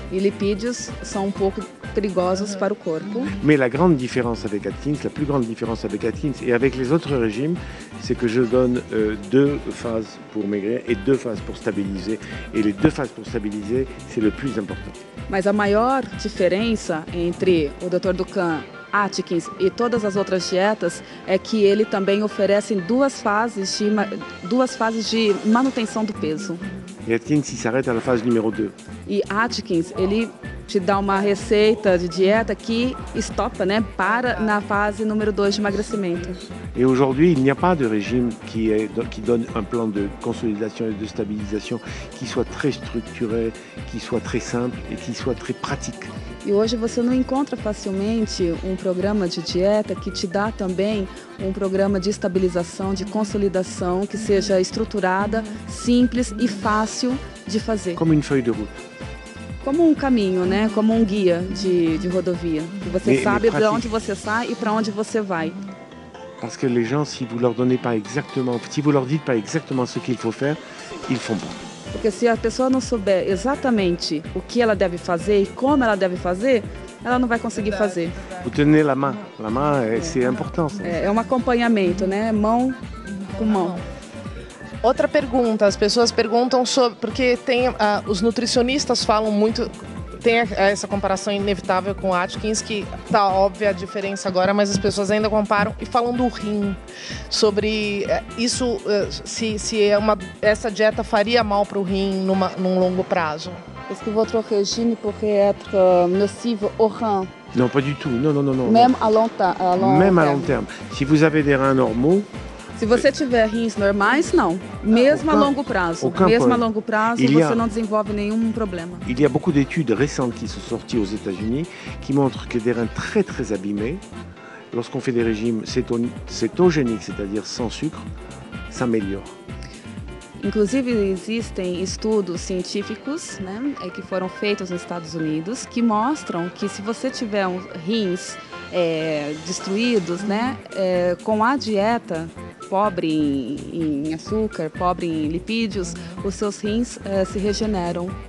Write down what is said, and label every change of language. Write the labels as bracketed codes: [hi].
[pt] E lipídios são um pouco perigosos para o corpo. [fr] Mais la grande différence avec Atkins, la plus grande différence avec Atkins et avec les autres régimes, c'est que je donne deux phases pour maigrir et deux phases pour stabiliser. Et les deux phases pour stabiliser, c'est le plus important. [pt] Mas a maior diferença entre o Dr. Ducan, Atkins e todas as outras dietas é que ele também oferece duas fases de manutenção do peso. [fr] E Atkins s'arrête à la phase numéro 2. [pt] E Atkins, ele te dá uma receita de dieta que estopa, né, para na fase número 2 de emagrecimento. [fr] Et aujourd'hui, il n'y a pas de régime qui donne un plan de consolidation et de stabilisation qui soit très structuré, qui soit très simple et qui soit très pratique. [pt] E hoje você não encontra facilmente um programa de dieta que te dá também um programa de estabilização, de consolidação, que seja estruturada, simples e fácil de fazer. Como uma folha de ruta. Como um caminho, né? Como um guia de rodovia. Que você sabe para onde você sai e para onde você vai. Porque as pessoas, se você não leva exatamente, se você não diz exatamente o que ele for fazer, eles não fazem. Porque se a pessoa não souber exatamente o que ela deve fazer e como ela deve fazer, ela não vai conseguir fazer. [fr] Vous tenez la main. La main, c'est important. [pt] É um acompanhamento, né? Mão com mão. Outra pergunta, as pessoas perguntam sobre, porque tem os nutricionistas falam muito, tem essa comparação inevitável com o Atkins, que está óbvia a diferença agora, mas as pessoas ainda comparam e falam do rim, sobre isso, se é uma, essa dieta faria mal para o rim num longo prazo. [fr] Est-ce que votre régime pourrait être nocif au rein? Non, pas du tout. Non, non, non, non. Même à long terme. Même à long terme. Si vous avez des reins normaux. [pt] Se você tiver rins normais, não. Mesmo a longo prazo. Mesmo a longo prazo, você não desenvolve nenhum problema. [fr] Il y a beaucoup d'études récentes qui sont sorties aux États-Unis qui montrent que des reins très, très abîmés lorsqu'on fait des régimes cétogéniques, c'est-à-dire sans sucre, ça améliore. [pt] Inclusive, existem estudos científicos, né, que foram feitos nos Estados Unidos, que mostram que se você tiver rins destruídos, né, com a dieta pobre em açúcar, pobre em lipídios, os seus rins se regeneram.